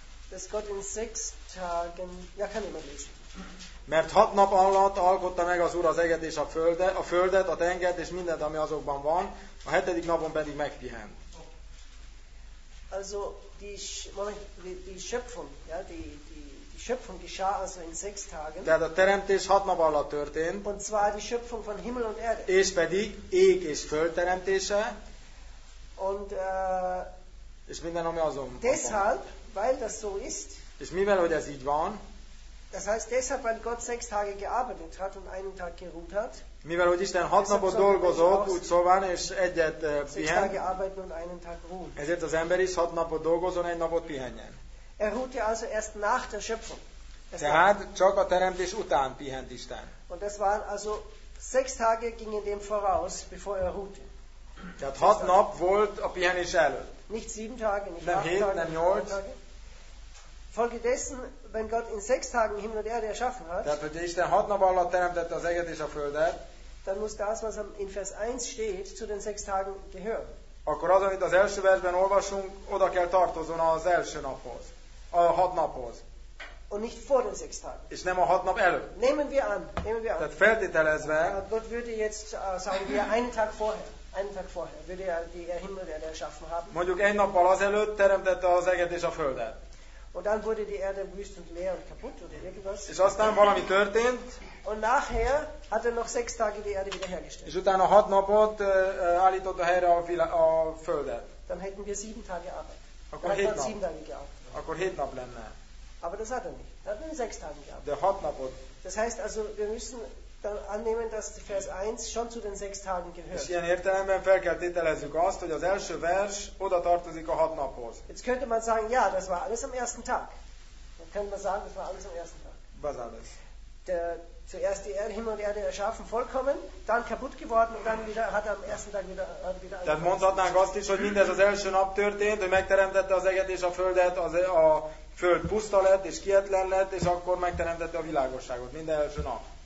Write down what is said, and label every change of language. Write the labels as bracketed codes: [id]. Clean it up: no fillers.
[de] dass Gott in 6 Tagen ja, kann ich mal lesen. [hu] Mert 6 nap alatt alkotta meg az Úr az eget és a földet, a tengert és mindent, ami azokban van, a 7. napon pedig megpihent. [de] Also die Schöpfung, ja, die Schöpfung geschah also in 6 Tagen. [hu] Tehát a teremtés 6 nap alatt történt. [de] Und zwar die Schöpfung von Himmel und Erde. [hu] És pedig ég és föld teremtése. [de] Und [hu] és minden, ami azon. [de] Deshalb, weil das so ist. [hu] És mivel, hogy ez így van. [de] Das heißt, deshalb, weil Gott 6 Tage gearbeitet hat und einen Tag geruht hat. [hu] Mivel, hogy Isten 6 napot dolgozott, úgy szóval, és egyet pihen. [de] 6 Tage arbeiten und einen Tag ruhen. [hu] Ezért az ember is 6 napot dolgozon, egy napot pihenjen. [de] Er ruhte also erst nach der Schöpfung. [hu] Tehát csak a teremtés után pihent Isten. [de] Und das waren also 6 Tage gingen dem voraus, bevor er ruhte. [hu] Tehát 6 nap volt a pihenés előtt. [de] Nicht 7 Tage, nicht 8 Tage. [hu] Nem 7, nem 8. [de] Folgedessen, wenn Gott in 6 Tagen Himmel und Erde erschaffen hat, [hu] tehát, hogy Isten 6 nap alatt teremtette az eget és a földet, [de] dann muss das, was in Vers 1 steht, zu den 6 Tagen gehören. [hu] Akkor az, amit az első versben olvasunk, oda kell tartozon az első naphoz, a 6 naphoz. [de] Und nicht vor den 6 Tagen. [hu] És nem a 6 nap előtt. [de] Nehmen wir an. [hu] Tehát feltételezve, [de] Gott würde jetzt sagen, wir einen Tag vorher. Einen Tag vorher würde er die Himmel der erschaffen haben. [hu] Mondjuk egy nappal azelőtt teremtette az eget és a földet. [de] Und dann wurde die Erde wüst und leer und kaputt oder irgendwas. [hu] És aztán valami történt. [de] Und nachher hat er noch 6 Tage die Erde wiederhergestellt. [hu] És utána 6 napot állított a helyre a földet. [de] Dann hätten wir 7 Tage Arbeit. [hu] Akkor 7 nap. [de] 7 Tage gearbeitet. [hu] Akkor 7 nap lenne. [de] Aber das hat er nicht. Er hat nur 6 Tage gearbeitet. [hu] De 6 napot. [de] Das heißt also, wir müssen dann annehmen, dass Vers 1 schon zu den 6 Tagen gehört. [hu] És ilyen értelemben fel kell tételezzük azt, hogy az első vers oda tartozik a 6 naphoz. [de] Jetzt könnte man sagen, ja, das war alles am ersten Tag. Dann könnte man sagen, das war alles am ersten Tag. Was alles? Zuerst die Erde, Himmel und Erde erschaffen, vollkommen, dann kaputt geworden und dann wieder, hat er am ersten Tag wieder angefangen. [hu] Tehát mondhatnánk azt is, hogy mindez az első nap történt, hogy megteremtette az eget és a földet, a föld puszta lett és kietlen lett, és akkor megteremtette a világosságot, minden első nap.